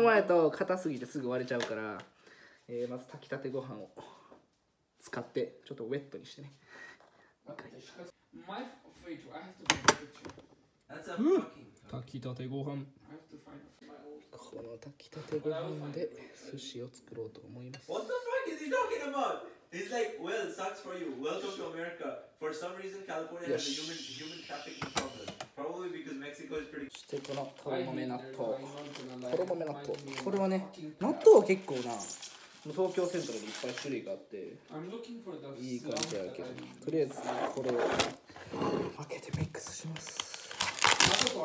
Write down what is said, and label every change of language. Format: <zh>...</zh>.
<ja>前と硬すぎてすぐ割れちゃうから、まず炊きたてご飯を使って、ちょっとウェットにしてね。炊きたてご飯。この炊きたてご飯で寿司を作ろうと思います。</ja> <en>What the fuck is he talking about? He's like, well, sucks for you. Welcome to America. For some reason, California has a human trafficking problem. Probably because Mexico is pretty.</en> <ja>そしてこのとろもめ納豆。とろもめ納豆。これはね、納豆は結構な。東京セントラルにいっぱい種類があって、いい感じやけど、とりあえずこれを開けてミックスします。</ja>